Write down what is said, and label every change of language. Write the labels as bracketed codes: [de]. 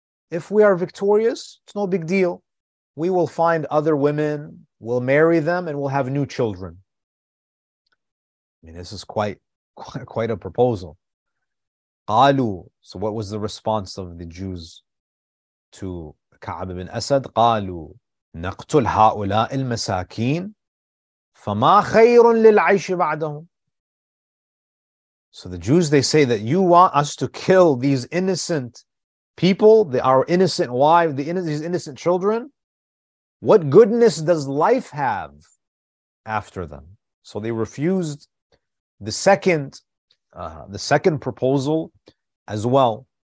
[en] If we are victorious, it's no big deal. We will find other women, we'll marry them, and we'll have new children. I mean, this is quite a proposal. [ar] قَالُوا. [en] So what was the response of the Jews to Ka'ab ibn Asad? [ar] قَالُوا. نقتل هؤلاء المساكين فما خير للعيش بعدهم. [en] So the Jews, they say that you want us to kill these innocent people, our innocent wives, these innocent children. What goodness does life have after them? So they refused the second proposal as well.